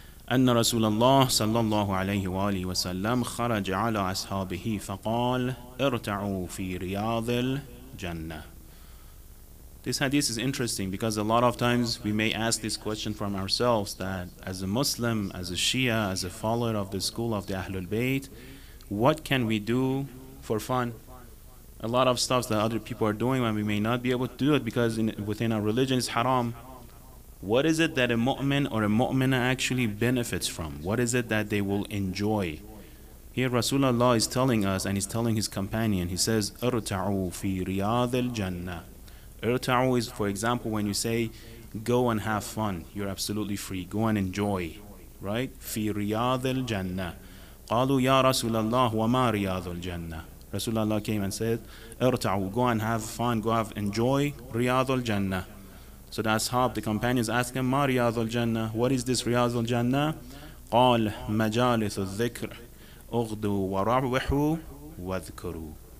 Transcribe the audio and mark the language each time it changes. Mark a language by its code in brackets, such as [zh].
[ar] أن رسول الله صلى الله عليه وآله وسلم خرج على أصحابه فقال ارتعوا في رياض الجنة. [en] This hadith is interesting because a lot of times we may ask this question from ourselves, that as a Muslim, as a Shia, as a follower of the school of the Ahlul Bayt, what can we do for fun? A lot of stuff that other people are doing when we may not be able to do it because within our religion is haram. What is it that a mu'min or a mu'mina actually benefits from? What is it that they will enjoy? Here Rasulullah is telling us, and he's telling his companion, he says, [ar] ارتعوا في رياض الجنة. [en] ارتعوا is, for example, when you say, go and have fun, you're absolutely free, go and enjoy, right? [ar] في رياض الجنة. قالوا يا رسول الله وما رياض الجنة. [en] Rasulullah came and said, ارتعوا, go and have fun, go have enjoy, [ar] رياض الجنة. [en] So the ashab, the companions, ask him, [ar] "Ma riyad al-jannah? [en] What is this riyad al-jannah?" [ar] قال مجالس الذكر أغدو وروحو وذكرو.